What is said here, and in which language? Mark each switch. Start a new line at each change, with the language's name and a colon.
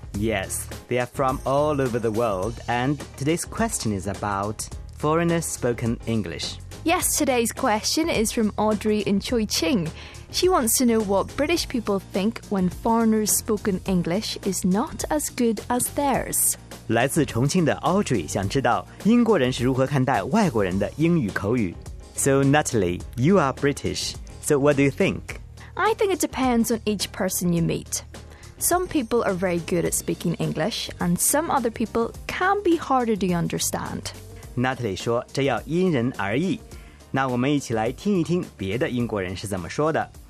English: Yes, they are from all over the world, and today's question is about foreigners spoken English. Yes, today's question is from Audrey in Chongqing. She wants to know what British people think when foreigners spoken English is not as good as theirs.
Chinese: 来自重庆的 Audrey 想知道英国人是如何看待外国人的英语口语。
English: So Natalie, you are British, so what do you think? I think it depends on each person you meet. Some people are very good at speaking English, and some other people can be harder to understand.
Chinese: Natalie 说这要因人而异。那我们一起来听一听别的英国人是怎么说的。